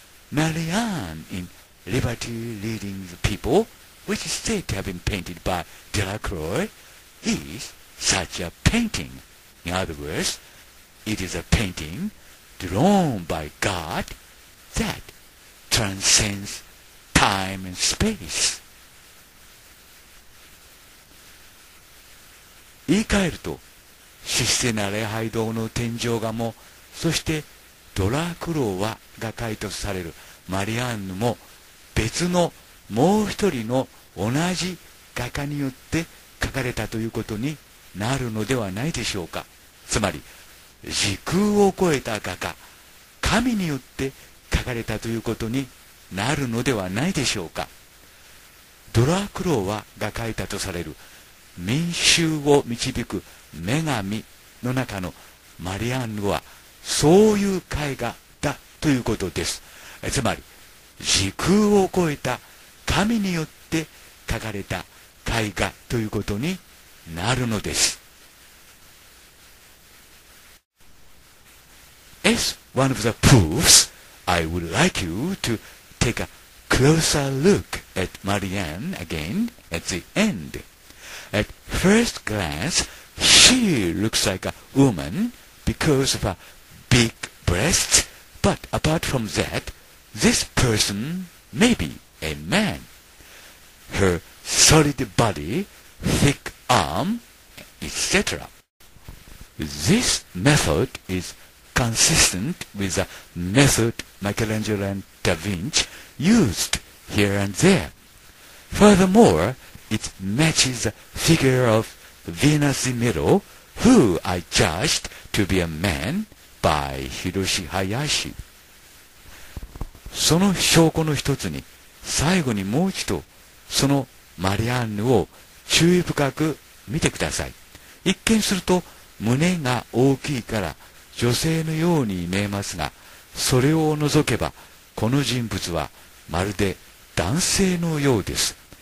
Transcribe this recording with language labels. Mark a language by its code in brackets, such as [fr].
[en] Marianne in Liberty Leading the People, which is said to have been painted by Delacroix, is such a painting. In other words, it is a painting drawn by God that transcends time and space. [ja] 言い換えると、システナ礼拝堂の天井画も、そしてドラクロワが解凍されるマリアンヌも、別のもう一人の同じ画家によって描かれたということになるのではないでしょうか。つまり時空を超えた画家、神によって描かれたということになるのではないでしょうか。ドラクロワが描いたとされる民衆を導く女神の中のマリアンヌはそういう絵画だということです。つまり時空を超えた神によって描かれた絵画ということになるのです。 [en] As one of the proofs, I would like you to take a closer look at Marianne again at the end. At first glance, she looks like a woman because of her big breasts, but apart from thatThis person may be a man. Her solid body, thick arm, etc. This method is consistent with the method Michelangelo and Da Vinci used here and there. Furthermore, it matches the figure of Venus in Milo, who I judged to be a man by Hiroshi Hayashi. [ja] その証拠の一つに、最後にもう一度そのマリアンヌを注意深く見てください。一見すると胸が大きいから女性のように見えますが、それを除けばこの人物はまるで男性のようです。